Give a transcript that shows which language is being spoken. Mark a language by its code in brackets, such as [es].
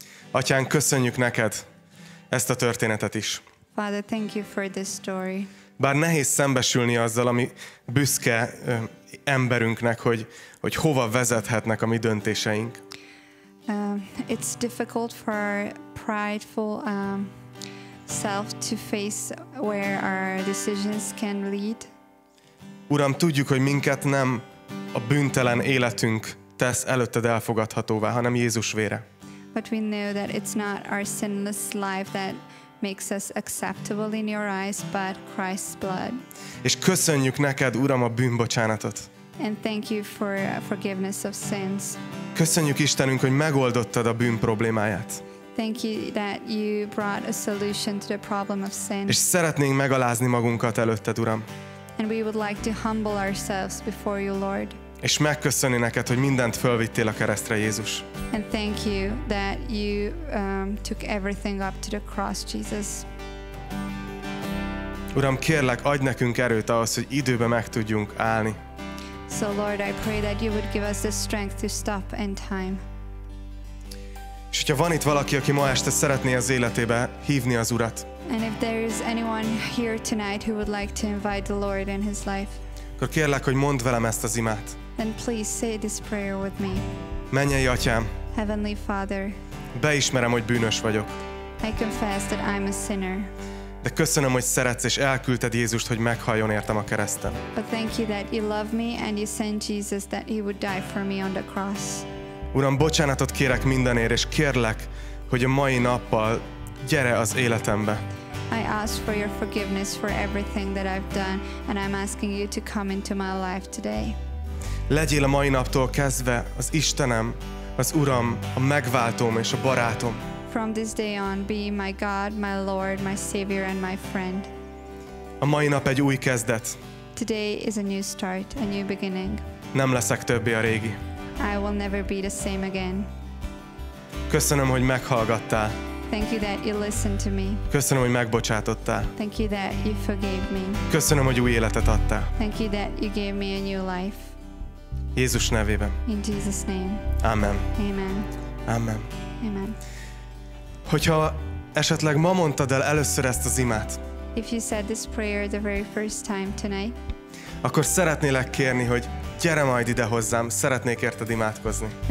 [hu] Atyán, köszönjük neked ezt a történetet is. [en] Father, thank you for this story. [hu] Bár nehéz szembesülni azzal, ami büszke emberünknek, hogy hova vezethetnek a mi döntéseink. [en] It's difficult for our prideful self to face where our decisions can lead. [hu] Uram, tudjuk, hogy minket nem a bűntelen életünk tesz előtted elfogadhatóvá, hanem Jézus vére. [en] But we know that it's not our sinless life that makes us acceptable in your eyes, but Christ's blood. [hu] És köszönjük neked, Uram, a bűnbocsánatot. [en] And thank you for forgiveness of sins. [hu] Köszönjük Istenünk, hogy megoldottad a bűn problémáját. [en] Thank you that you brought a solution to the problem of sin. [hu] És szeretnénk megalázni magunkat előtted, Uram. [en] And we would like to humble ourselves before you, Lord. [hu] És megköszönni neked, hogy mindent fölvittél a keresztre, Jézus. [en] And thank you that you took everything up to the cross, Jesus. [hu] Uram, kérlek, adj nekünk erőt ahhoz, hogy időben meg tudjunk állni. [en] So Lord, I pray that you would give us the strength to stop in time. [hu] És hogyha van itt valaki, aki ma este szeretné az életébe hívni az Urat. [en] And if there is anyone here tonight who would like to invite the Lord in his life. [hu] Akkor kérlek, hogy mondd velem ezt az imát. [en] Then please say this prayer with me. [hu] Mennyei Atyám. [en] Heavenly Father. [hu] Beismerem, hogy bűnös vagyok. [en] I confess that I'm a sinner. [hu] De köszönöm, hogy szeretsz és elküldted Jézust, hogy meghaljon értem a kereszten. [en] But thank you that you love me and you sent Jesus that he would die for me on the cross. [hu] Uram, bocsánatot kérek mindenért, és kérlek, hogy a mai nappal gyere az életembe. [en] I ask for your forgiveness for everything that I've done, and I'm asking you to come into my life today. [hu] Legyél a mai naptól kezdve az Istenem, az Uram, a megváltóm és a barátom. [en] From this day on, be my God, my Lord, my Savior and my friend. [hu] A mai nap egy új kezdet. [en] Today is a new start, a new beginning. [hu] Nem leszek többé a régi. [en] I will never be the same again. [hu] Köszönöm, hogy meghallgattál. [en] Thank you that you listened to me. [hu] Köszönöm, hogy megbocsátottál. [en] Thank you that you forgave me. [hu] Köszönöm, hogy új életet adtál. [en] Thank you that you gave me a new life. [hu] Jézus nevében. [en] In Jesus' name. [hu] Amen. [en] Amen. [hu] Amen. [en] Amen. [hu] Hogyha esetleg ma mondtad el először ezt az imát, [en] if you said this prayer the very first time tonight, [hu] akkor szeretnélek kérni, hogy gyere majd ide hozzám, szeretnék érted imádkozni.